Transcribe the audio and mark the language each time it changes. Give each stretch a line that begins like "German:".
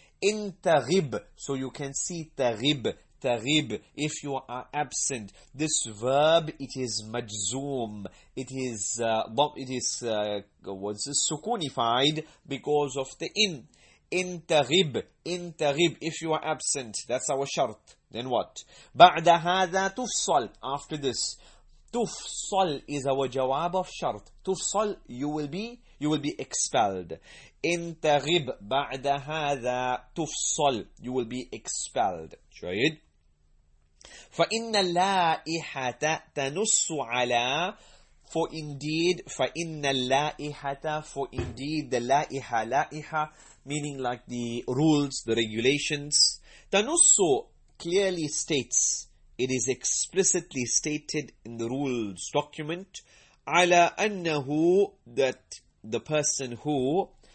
Arabic: إِن تَغِبْ,
English: so you can see تَغِبْ, تَغِبْ, if you are absent. This verb, it is مَجْزُوم. It is sukunified because of the إِن.
Arabic: إِن تَغِبْ, إِن تَغِبْ,
English: if you are absent. That's our شرط. Then what?
Arabic: بَعْدَ هَذَا تُفْصَلْ,
English: after this. تُفْصَلْ is our جواب of شرط. تُفْصَلْ, you will be expelled.
Arabic: إِن تَغِبْ بَعْدَ هَذَا تُفْصَلْ,
English: you will be expelled. شايد؟
Arabic: فَإِنَّ اللَّائِحَةَ تَنُصُّ عَلَى,
English: for indeed, فَإِنَّ اللَّائِحَةَ, for indeed, the لائحة, لائحة, meaning like the rules, the regulations. تَنُصُّ clearly states, it is explicitly stated in the rules document,
Arabic: عَلَى أَنَّهُ,
English: that the person who,